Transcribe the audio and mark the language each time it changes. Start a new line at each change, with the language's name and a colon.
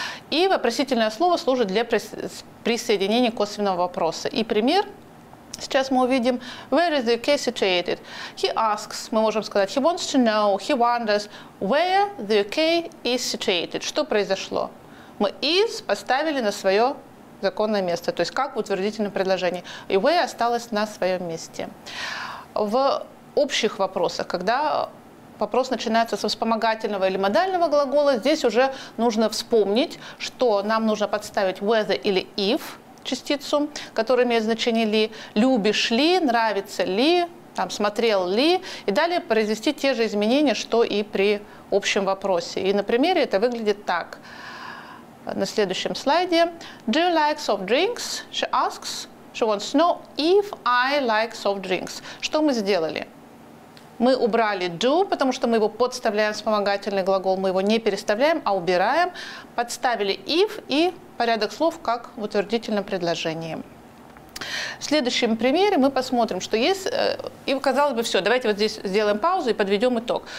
Russian: И вопросительное слово служит для присоединения косвенного вопроса. И пример. Сейчас мы увидим,
English: where is the UK situated? He asks,
Russian: мы можем сказать,
English: he wants to know, he wonders, where the UK is situated.
Russian: Что произошло? Мы is поставили на свое законное место, то есть как в утвердительном предложении. И where осталось на своем месте. В общих вопросах, когда вопрос начинается со вспомогательного или модального глагола, здесь уже нужно вспомнить, что нам нужно подставить whether или if, частицу, которая имеет значение ли, любишь ли, нравится ли, там, смотрел ли, и далее произвести те же изменения, что и при общем вопросе. И на примере это выглядит так. На следующем слайде.
English: Do you like soft drinks? She asks. She wants to know if I like soft drinks.
Russian: Что мы сделали? Мы убрали do, потому что мы его подставляем, вспомогательный глагол, мы его не переставляем, а убираем. Подставили if и порядок слов как в утвердительном предложении. В следующем примере мы посмотрим, что есть, и казалось бы, все, давайте вот здесь сделаем паузу и подведем итог.